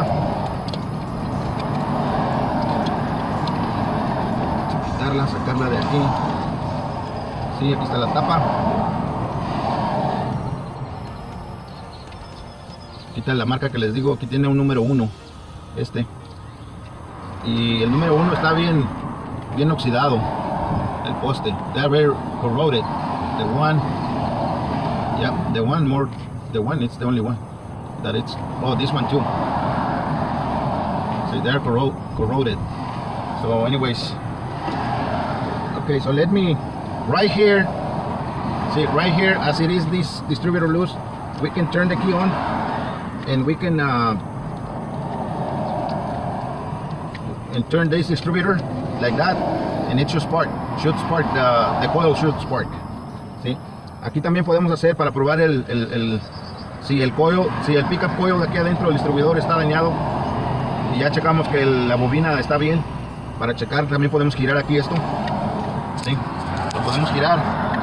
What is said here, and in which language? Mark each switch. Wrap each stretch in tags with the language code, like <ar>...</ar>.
<es>Vamos a quitarla, sacarla de aquí. Sí, aquí está la tapa. Quita la marca que les digo, aquí tiene un número 1. Este. Y el número 1 está bien oxidado, el poste.</es> <en>They're very corroded. It's the only one that it's, oh, this one too. So they're corroded. So anyways, okay, so let me, right here, See, right here, as it is, this distributor loose, we can turn the key on, and we can and turn this distributor like that, and it should spark. Should spark the coil should spark.</en> <es>See, aquí también podemos hacer para probar el si el coil, si el pickup coil de aquí adentro del distribuidor está dañado, y ya checamos que la bobina está bien. Para checar también podemos girar aquí esto. Sí, lo podemos girar.</es>